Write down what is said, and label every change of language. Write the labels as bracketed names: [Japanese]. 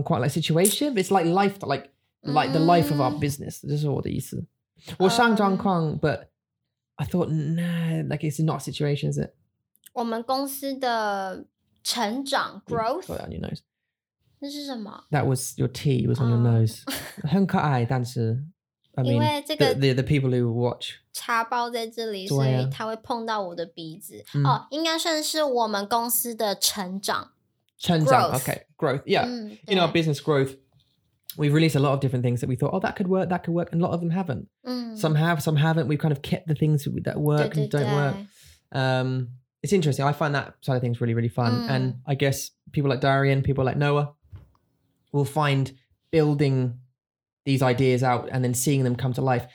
[English] like situation, but it's like life, like the life of our business. This is what the 意思. [Chinese] 我上状况, [English] but I thought, nah, like it's not a situation, is it? [Chinese] 我们公司的成长, growth. [English] Put it on your nose. [Chinese] 那是什么? [English] That was your tea, it was on your nose. [Chinese] 很可爱,但是... [English] I mean, the people who watch. [Chinese] 插包在这里,所以他会碰到我的鼻子.Oh, 应该算是我们公司的成长. [English] 成长, growth. Okay, growth, yeah. In our business growth, we've released a lot of different things that we thought, oh, that could work, and a lot of them haven't. Some have, some haven't. We've kind of kept the things that work and don't work. It's interesting. I find that side of things really, really fun. And I guess people like Darian, people like Noah, will find building these ideas out and then seeing them come to life.